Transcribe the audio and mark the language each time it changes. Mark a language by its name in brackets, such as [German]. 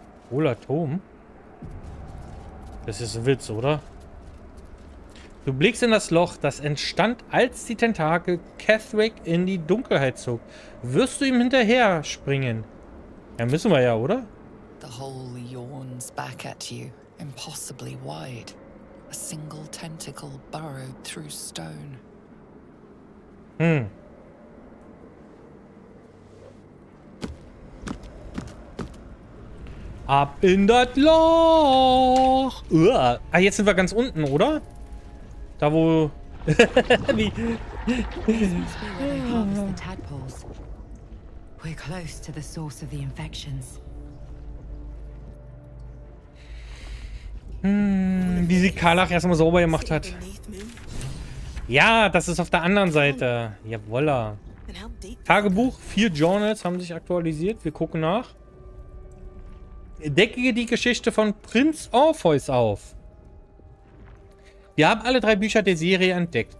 [German] Hohler Turm? Das ist ein Witz, oder? Du blickst in das Loch, das entstand, als die Tentakel Cathric in die Dunkelheit zog. Wirst du ihm hinterher springen? Ja, müssen wir ja, oder? [English] The hole yawns back at you. Impossibly wide. A single tentacle burrowed through stone. Hm. [German] Ab in das Loch! Uah. Ah, jetzt sind wir ganz unten, oder? Da wo... [English] We're close to the source of the infections. [German] Hm, wie sie Karlach erstmal sauber gemacht hat. Ja, das ist auf der anderen Seite. Jawolla. Tagebuch, 4 Journals haben sich aktualisiert. Wir gucken nach. Decke die Geschichte von Prinz Orpheus auf. Wir haben alle 3 Bücher der Serie entdeckt.